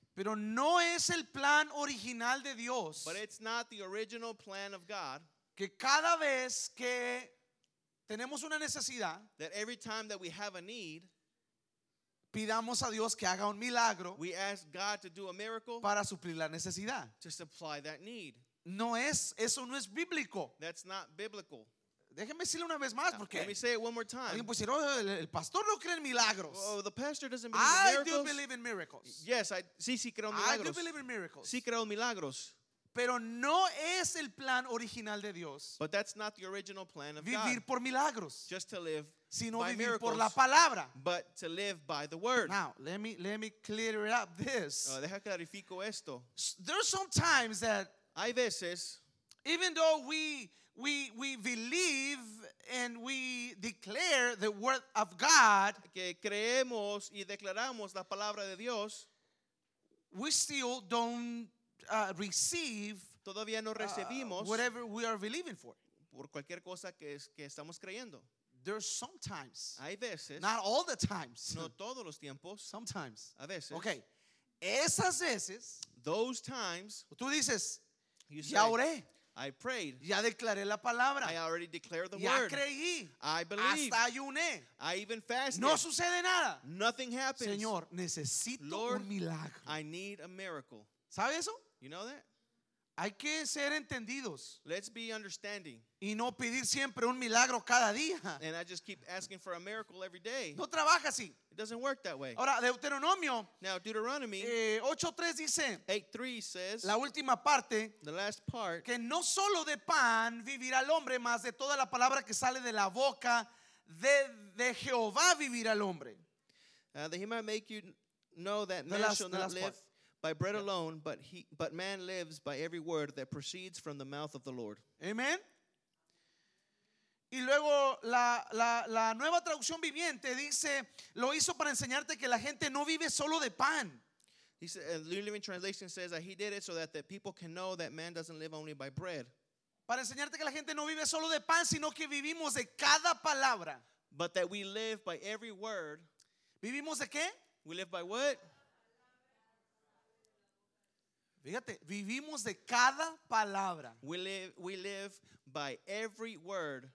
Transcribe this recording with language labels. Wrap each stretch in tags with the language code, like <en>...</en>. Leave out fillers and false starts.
<es>Pero no es el plan original de Dios.</es> <en>But it's not the original plan of God.</en> <es>Que cada vez que tenemos una necesidad,</es> <en>that every time that we have a need,</en> <es>pidamos a Dios que haga un milagro,</es> <en>we ask God to do a miracle,</en> <es>para suplir la necesidad,</es> <en>to supply that need.</en> <es>No es, eso no es bíblico.</es> <en>That's not biblical.</en> <es>Déjenme decirlo una vez más, porque</es> <en>let me say it one more time.</en> <es>Alguien puede decir, oh, el pastor no cree en milagros.</es> <en>Oh, the pastor doesn't believe in miracles. I do believe in miracles. Yes, I,</en> <es>sí, sí creo en milagros.</es> <en>I do believe in miracles.</en> <es>Sí creo en milagros. Pero no es el plan original de Dios.</es> <en>But that's not the original plan of</en> <es>vivir</es> <en>God.</en> <es>Por milagros.</es> <en>Just to live</en> <es>sino</es> <en>by</en> <es>vivir</es> <en>miracles,</en> <es>por la palabra.</es> <en>But to live by the word. Now, let me clear it up this.</en> <es>Deja clarifico esto.</es> <en>There are some times that</en> <es>hay veces,</es> <en>even though we believe and we declare the word of God,</en> <es>que creemos y declaramos la palabra de Dios,</es> <en>we still don't receive</en> <es>todavía no recibimos</es> <en>whatever we are believing for.</en> <es>Por cualquier cosa que estamos creyendo.</es> <en>There's sometimes,</en> <es>hay veces,</es> <en>not all the times,</en> <es>no todos los tiempos,</es> <en>sometimes,</en> <es>a veces, okay, esas veces,</es> <en>those times,</en> <es>tú dices,</es> <en>you</en> <es>ya oré.</es> <en>I prayed.</en> <es>Ya declaré la palabra.</es> <en>I already declared the</en> <es>ya</es> <en>word.</en> <es>Creí.</es> <en>I believed.</en> <es>Hasta ayuné.</es> <en>I even fasted.</en> <es>No sucede nada.</es> <en>Nothing happens.</en> <es>Señor, necesito</es> <en>Lord,</en> <es>un milagro.</es> <en>I need a miracle.</en> <es>¿Sabe eso?</es> <en>You know that?</en> <es>Hay que ser entendidos.</es> <en>Let's be understanding.</en> <es>Y no pedir siempre un milagro cada día.</es> <en>And I just keep asking for a miracle every day.</en> <es>No trabaja así.</es> <en>It doesn't work that way.</en> <es>Ahora, Deuteronomio.</es> <en>Now, Deuteronomy.</en> <es>8:3 dice.</es> <en>8:3 says.</en> <es>La última parte.</es> <en>The last part.</en> <es>Que no solo de pan vivirá el hombre, mas de toda la palabra que sale de la boca de Jehová vivirá el hombre.</es> <en>That he might make you know that man shall not live by bread alone, but man lives by every word that proceeds from the mouth of the Lord. Amen.</en> <es>Y luego la nueva traducción viviente dice, lo hizo para enseñarte que la gente no vive solo de pan.</es> <en>He said, the New Living Translation says that he did it so that the people can know that man doesn't live only by bread.</en> <es>Para enseñarte que la gente no vive solo de pan, sino que vivimos de cada palabra.</es> <en>But that we live by every word.</en> <es>¿Vivimos de qué?</es> <en>We live by what?</en> <es>Fíjate, vivimos de cada palabra.</es> <en>We live by every word.</en>